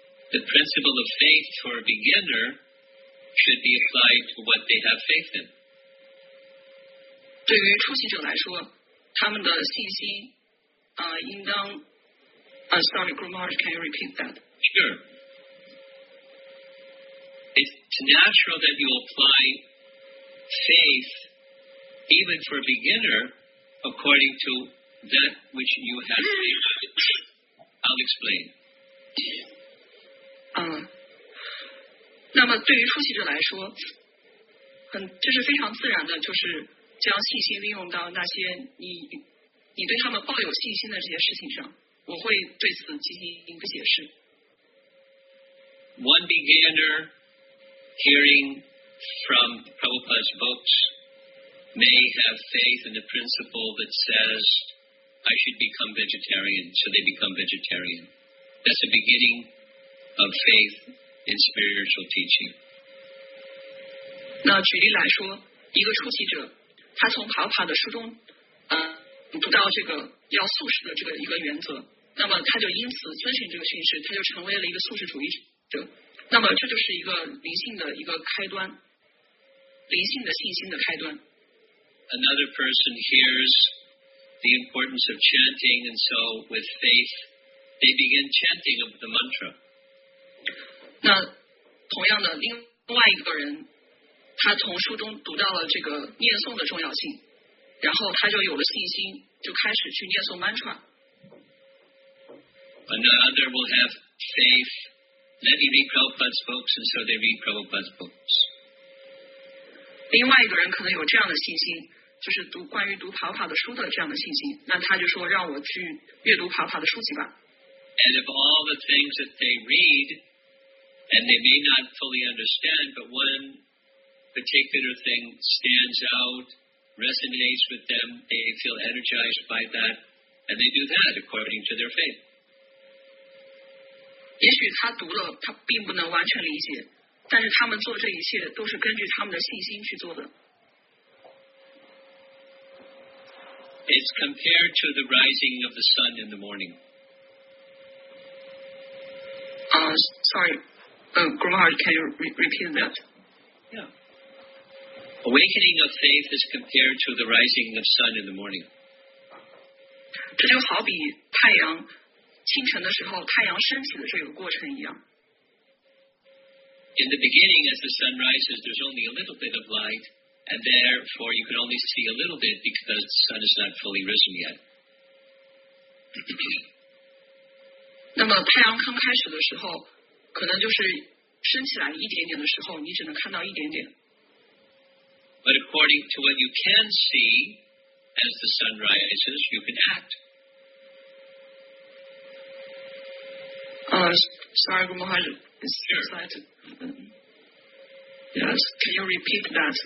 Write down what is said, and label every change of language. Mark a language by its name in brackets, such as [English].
[English] The principle of faith for a beginner should be applied to what they have faith in. [Chinese] 对于出席者来说，他们的信心应当 [English] sorry, Grumar, can you repeat that? Sure. It's natural that you apply faith even for a beginner according to that which you have realized. I'll explain. [Chinese] 那么对于出席者来说，这是非常自然的，就是将信心利用到那些你对他们抱有信心的这些事情上。我会对此进行一个解释。 [English] One beginner hearing from Prabhupada's books may have faith in the principle that says I should become vegetarian, so they become vegetarian. That's a beginning of faith in spiritual teaching. [Chinese] 那举例来说，一个初级者，他从帕帕的书中，读到这个要素食的这个一个原则，那么他就因此遵循这个训示，他就成为了一个素食主义者。那么这就是一个灵性的一个开端，灵性的信心的开端。 [English] Another person hears the importance of chanting, and so with faith, they begin chanting of the mantra. [Chinese] 那同样的，另外一个人，他从书中读到了这个念诵的重要性，然后他就有了信心，就开始去念诵 mantra。 [English] Another will have faith. Let me read Prabhupada's books, and so they read Prabhupada's books. [Chinese] 另外一个人可能有这样的信心，就是读关于读帕帕的书的这样的信心，那他就说让我去阅读帕帕的书籍吧。 [English] And of all the things that they read, and they may not fully understand, but one particular thing stands out, resonates with them, they feel energized by that, and they do that according to their faith. [Chinese] 也许他读了，他并不能完全理解，但是他们做这一切都是根据他们的信心去做的。 [English] It's compared to the rising of the sun in the morning. Grumar, can you repeat that? Yeah. Awakening of faith is compared to the rising of sun in the morning. [Chinese] 这就好比太阳清晨的时候，太阳升起的这个过程一样。 [English] In the beginning, as the sun rises, there's only a little bit of light. And therefore, you can only see a little bit because the sun is not fully risen yet. [Chinese] 那么太阳刚开始的时候，可能就是升起来一点点的时候，你只能看到一点点。 [English] But according to what you can see as the sun rises, you can act. Sorry, Gumohar, it's sure. Excited. Yes, can you repeat that?